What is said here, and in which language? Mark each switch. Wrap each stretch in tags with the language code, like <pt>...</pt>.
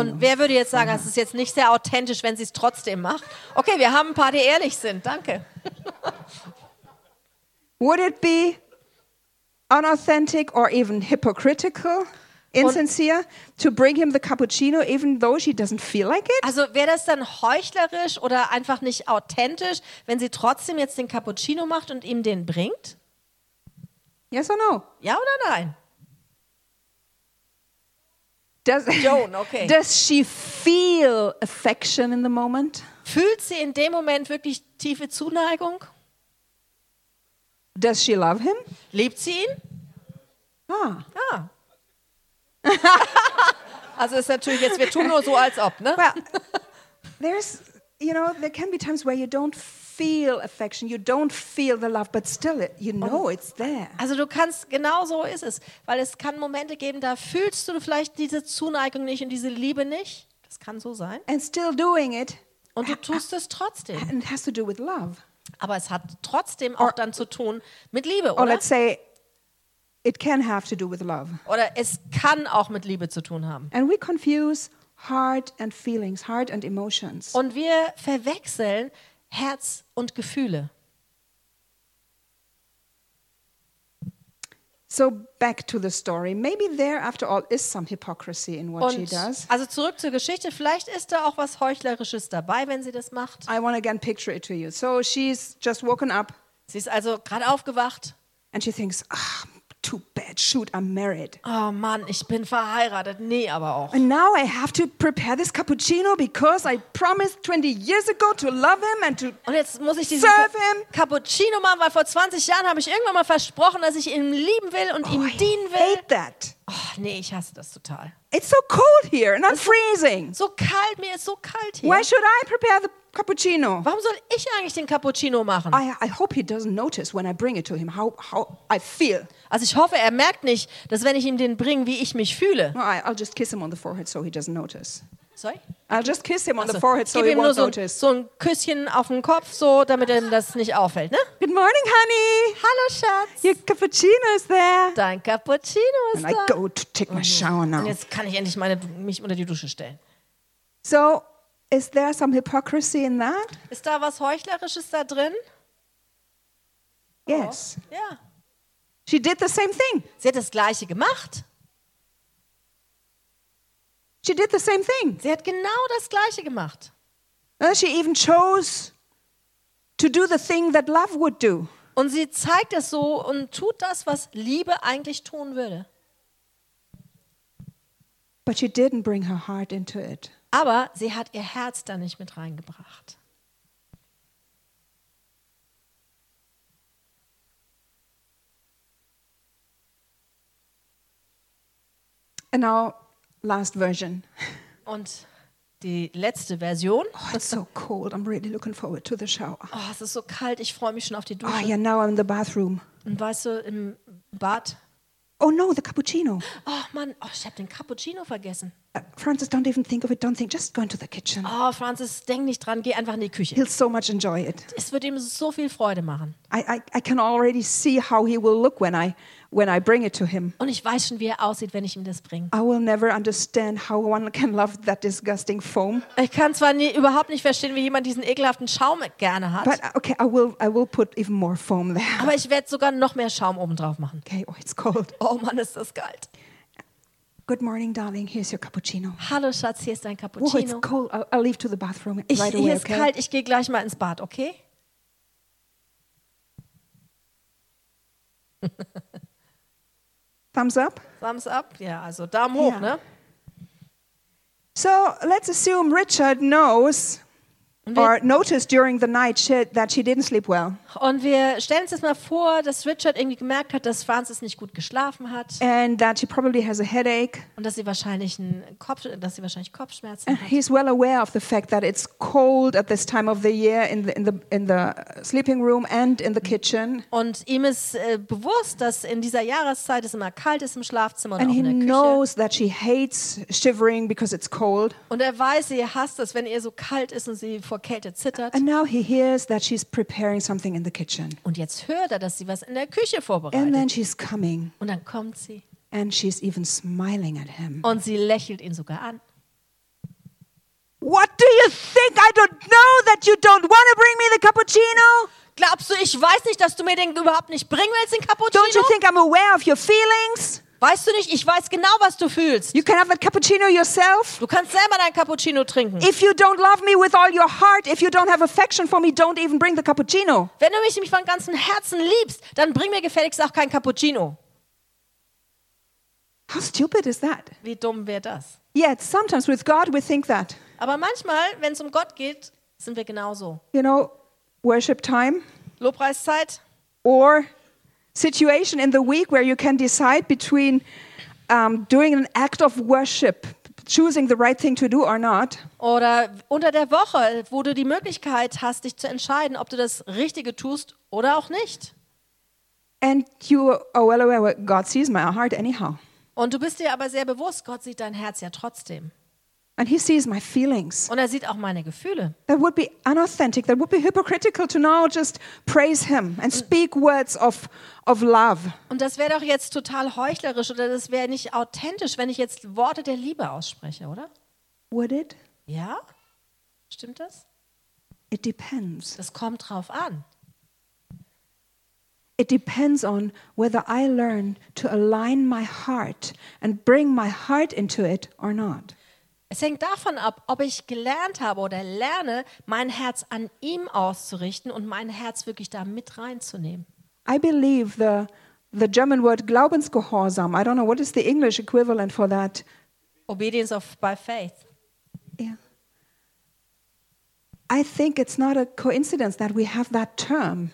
<de>Und wer würde jetzt sagen, es ist jetzt nicht sehr authentisch, wenn sie es trotzdem macht? Okay, wir haben ein paar, die ehrlich sind. Danke.</de> <en>Would it be unauthentic or even hypocritical, insincere, to bring him the cappuccino, even though she doesn't feel like it?</en> <de>Also wäre das dann heuchlerisch oder einfach nicht authentisch, wenn sie trotzdem jetzt den Cappuccino macht und ihm den bringt?</de> <en>Yes or no?</en> <de>Ja oder nein?</de> <en>Joan, okay. Does she feel affection in the moment?</en> <de>Fühlt sie in dem Moment wirklich tiefe Zuneigung?</de> <en>Does she love him?</en> <de>Liebt sie ihn? Ah. Ja. Also ist natürlich jetzt, wir tun nur so, als ob, ne?</de> <en>Well, there's, you know, there can be times where you don't feel affection, you don't feel the love, but still, you know it's there.</en> <de>Also du kannst, genau so ist es, weil es kann Momente geben, da fühlst du vielleicht diese Zuneigung nicht und diese Liebe nicht. Das kann so sein.</de> <en>And still doing it.</en> <de>Und du tust es trotzdem.</de> <en>And it has to do with love.</en> <de>Aber es hat trotzdem auch dann zu tun mit Liebe, oder?</de> <en>Or let's say, it can have to do with love.</en> <de>Oder es kann auch mit Liebe zu tun haben.</de> <en>And we confuse heart and feelings, heart and emotions.</en> <de>Und wir verwechseln Herz und Gefühle.</de> <en>So back to the story. Maybe there, after all, is some hypocrisy in what she does.</en> <de>Also zurück zur Geschichte. Vielleicht ist da auch was Heuchlerisches dabei, wenn sie das macht.</de> <en>I want to again picture it to you. So she's just woken up.</en> <de>Sie ist also gerade aufgewacht.</de> <en>And she thinks, ah, too bad. Shoot, I'm married.</en> <de>Oh Mann, ich bin verheiratet. Nee, aber auch.</de> <en>And now I have to prepare this cappuccino because I promised 20 years ago to love him and to serve him.</en> <de>Und jetzt muss ich diesen Cappuccino machen, weil vor 20 Jahren habe ich irgendwann mal versprochen, dass ich ihn lieben will und ihm dienen will.</de> <en>I hate that.</en> <de>Oh, nee, ich hasse das total.</de> <en>It's so cold here and I'm freezing.</en> <de>So kalt, mir ist so kalt hier.</de> <en>Why should I prepare the cappuccino?</en> <de>Warum soll ich eigentlich den Cappuccino machen?</de> <en>I hope he doesn't notice when I bring it to him how I feel.</en> <de>Also ich hoffe, er merkt nicht, dass wenn ich ihm den bringe, wie ich mich fühle.</de> <en>Well, I'll just kiss him on the forehead so he doesn't notice. Sorry? I'll just kiss him on the forehead so he won't notice.</en> <de>Gib ihm nur so ein Küsschen auf den Kopf, so damit ihm das nicht auffällt, ne?</de> <en>Good morning, honey.</en> <de>Hallo, Schatz.</de> <en>Your cappuccino is there.</en> <de>Dein Cappuccino ist da.</de> <en>And I go to take my shower now.</en> <de>Und jetzt kann ich endlich mich unter die Dusche stellen.</de> <en>So, is there some hypocrisy in that?</en> <de>Ist da was Heuchlerisches da drin?</de> <en>Yes.</en> <de>Ja.</de> <en>Yeah. She did the same thing.</en> <de>Sie hat das Gleiche gemacht.</de> <en>She did the same thing.</en> <de>Sie hat genau das Gleiche gemacht.</de> <en>She even chose to do the thing that love would do.</en> <de>Und sie zeigt es so und tut das, was Liebe eigentlich tun würde.</de> <en>But she didn't bring her heart into it.</en> <de>Aber sie hat ihr Herz da nicht mit reingebracht.</de> <en>And now, last version.</en> <de>Und die letzte Version.</de> <en>Oh, it's so cold. I'm really looking forward to the shower.</en> <de>Oh, es ist so kalt. Ich freue mich schon auf die Dusche.</de> <en>Oh, yeah, now I'm in the bathroom.</en> <de>Und weißt du, im Bad?</de> <en>Oh, no, the cappuccino.</en> <de>Oh, Mann, oh, ich habe den Cappuccino vergessen.</de> <en>Francis, don't even think of it. Don't think. Just go into the kitchen.</en> <de>Oh, Francis, denk nicht dran. Geh einfach in die Küche.</de> <en>He'll so much enjoy it.</en> <de>Es wird ihm so viel Freude machen.</de> <en>I can already see how he will look when I bring it to him.</en> <de>Und ich weiß schon, wie er aussieht, wenn ich ihm das bringe.</de> <en>I will never understand how one can love that disgusting foam.</en> <de>Ich kann zwar überhaupt nicht verstehen, wie jemand diesen ekelhaften Schaum gerne hat.</de> <en>But okay, I will put even more foam there.</en> <de>Aber ich werde sogar noch mehr Schaum oben drauf machen.</de> <en>Okay, oh, it's cold.</en> <de>Oh Mann, ist das kalt.</de> <en>Good morning, darling. Here's your cappuccino.</en> <de>Hallo, Schatz, hier ist dein Cappuccino.</de> <en>Oh, it's cold. I'll leave to the bathroom right away, okay?</en> <de>Hier ist kalt. Ich gehe gleich mal ins Bad, okay?</de> <en>Thumbs up? Thumbs up,</en> <de>ja, also Daumen hoch, ne?</de> <en>So, let's assume Richard knows or noticed during the night that she didn't sleep well.</en> <de>Und wir stellen uns jetzt mal vor, dass Richard irgendwie gemerkt hat, dass Frances nicht gut geschlafen hat.</de> <en>And that she probably has a headache.</en> <de>Und dass sie wahrscheinlich Kopfschmerzen</de> <en>and</en> <de>hat.</de> <en>He's well aware of the fact that it's cold at this time of the year in the sleeping room and in the kitchen.</en> <de>Und ihm ist bewusst, dass in dieser Jahreszeit es immer kalt ist im Schlafzimmer und auch in der Küche.</de> <en>And he knows that she hates shivering because it's cold.</en> <de>Und er weiß, sie hasst es, wenn ihr so kalt ist und sie vor Kälte zittert.</de> <en>And now he hears that she's preparing something in the kitchen.</en> <de>Und jetzt hört er, dass sie was in der Küche vorbereitet.</de> <en>And then she's coming.</en> <de>Und dann kommt sie.</de> <en>And she's even smiling at him.</en> <de>Und sie lächelt ihn sogar an.</de> <en>What do you think? I don't know that you don't want to bring me the cappuccino.</en> <de>Glaubst du, ich weiß nicht, dass du mir den überhaupt nicht bringen willst, den Cappuccino?</de> <en>Don't you think I'm aware of your feelings?</en> <de>Weißt du nicht, ich weiß genau, was du fühlst.</de> <en>You can have a cappuccino yourself.</en> <de>Du kannst selber deinen Cappuccino trinken.</de> <en>If you don't love me with all your heart, if you don't have affection for me, don't even bring the cappuccino.</en> <de>Wenn du mich nämlich von ganzem Herzen liebst, dann bring mir gefälligst auch keinen Cappuccino.</de> <en>How stupid is that?</en> <de>Wie dumm wäre das?</de> <en>Yet sometimes with God we think that.</en> <de>Aber manchmal, wenn es um Gott geht, sind wir genauso.</de> <en>You know, worship time.</en> <de>Lobpreiszeit.</de> <en>Or situation in the week where you can decide between doing an act of worship, choosing the right thing to do or not.</en> <de>Oder unter der Woche, wo du die Möglichkeit hast, dich zu entscheiden, ob du das Richtige tust oder auch nicht.</de> <en>And you are well aware what God sees my heart anyhow.</en> <de>Und du bist dir aber sehr bewusst, Gott sieht dein Herz ja trotzdem.</de> <en>And he sees my feelings.</en> <de>Und er sieht auch meine Gefühle.</de> <en>That would be unauthentic. That would be hypocritical to now just praise him and speak words of love.</en> <de>Und das wäre doch jetzt total heuchlerisch oder das wäre nicht authentisch, wenn ich jetzt Worte der Liebe ausspreche, oder?</de> <en>Would it?</en> <de>Ja. Stimmt das?</de> <en>It depends.</en> <de>Das kommt drauf an.</de> <en>It depends on whether I learn to align my heart and bring my heart into it or not.</en> <de>Es hängt davon ab, ob ich gelernt habe oder lerne, mein Herz an ihm auszurichten und mein Herz wirklich da mit reinzunehmen.</de> <en>I believe the German word Glaubensgehorsam. I don't know what is the English equivalent for that. Obedience of by faith. Yeah. I think it's not a coincidence that we have that term.</en>